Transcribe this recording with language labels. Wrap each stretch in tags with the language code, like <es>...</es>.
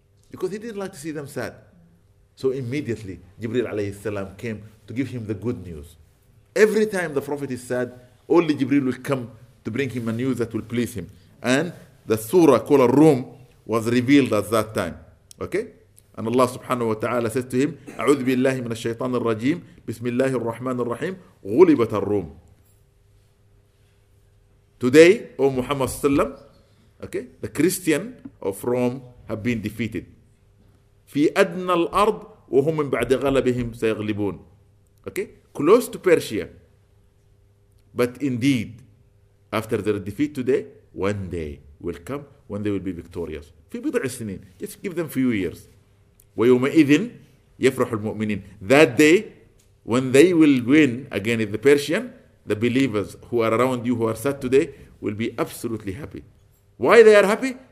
<en>Because he didn't like to see them sad. So immediately, Jibreel alayhi salam came to give him the good news. Every time the Prophet is sad, only Jibreel will come to bring him a news that will please him. And the surah called Ar-Rum was revealed at that time. Okay? And Allah subhanahu wa ta'ala said to him,</en> <ar>أعوذ بالله من الشيطان الرجيم بسم الله الرحمن الرحيم غلبت الروم.</ar> <en>Today, O Muhammad sallam, okay, the Christian of Rome have been defeated.</en> <ar>في أدنى الأرض وهم من بعد غلبهم سيغلبون.</ar> <en>Okay? Close to Persia. But indeed, after their defeat today, one day will come when they will be victorious.</en> <ar>في بضع سنين.</ar> <en>Just give them few years.</en> <ar>ويومئذ يفرح المؤمنين.</ar> <en>That day, when they will win against the Persian, the believers who are around you, who are sad today, will be absolutely happy. Why they are happy?</en>